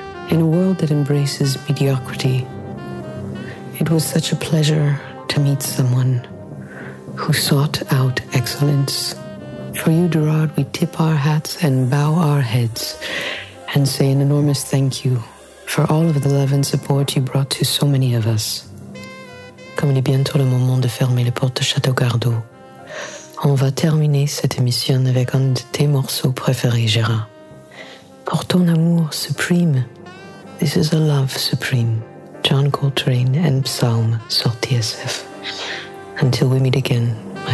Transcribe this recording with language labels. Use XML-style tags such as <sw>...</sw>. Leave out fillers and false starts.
<en>In a world that embraces mediocrity, it was such a pleasure to meet someone who sought out excellence. For you, Gerard, we tip our hats and bow our heads and say an enormous thank you for all of the love and support you brought to so many of us.</en> <fr>Comme il est bientôt le moment de fermer les portes de Château Gardeau, on va terminer cette émission avec un de tes morceaux préférés, Gérard.</fr> <en>Pour ton amour suprême, this is a love supreme. John Coltrane and Psalm, Sorti SF. Until we meet again,</en>